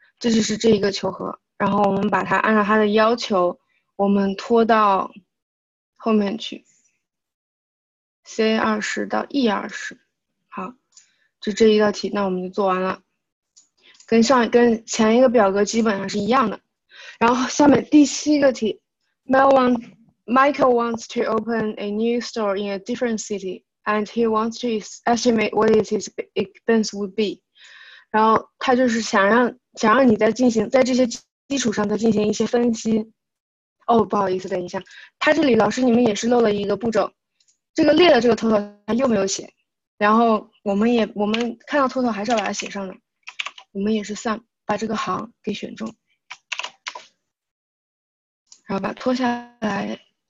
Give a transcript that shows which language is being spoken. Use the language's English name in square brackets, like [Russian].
[Chinese] 这就是这一个求和，然后我们把它按照它的要求，我们拖到后面去 ，C20 到 E20， 好，就这一道题，那我们就做完了，跟前一个表格基本上是一样的。然后下面第七个题 [English] ，Michael wants to open a new store in a different city, and he wants to estimate what its expense would be。 [Chinese] 然后他就是想让你再进行在这些基础上再进行一些分析。哦，不好意思，等一下，他这里老师你们也是漏了一个步骤，这个列的这个 total 他又没有写，然后我们看到 total 还是要把它写上的，我们也是 sum 把这个行给选中，然后把拖下来。